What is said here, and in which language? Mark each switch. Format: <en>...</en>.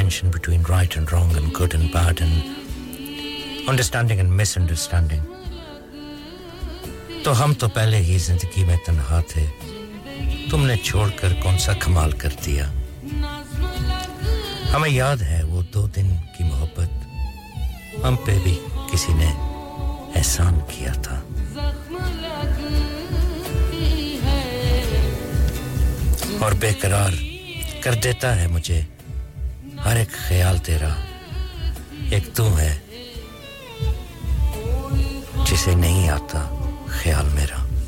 <en>Between right and wrong and good and bad and understanding and misunderstanding.</en> <hi>तो हम तो पहले ही ज़िंदगी में तन्हा थे. तुमने छोड़कर कौन सा कमाल कर दिया? हमें याद है वो दो दिन की मोहब्बत. हम पे भी किसी ने एहसान किया था. और बेकरार कर देता है मुझे. हर एक ख्याल तेरा एक तू है जिसे नहीं आता ख्याल मेरा.</hi>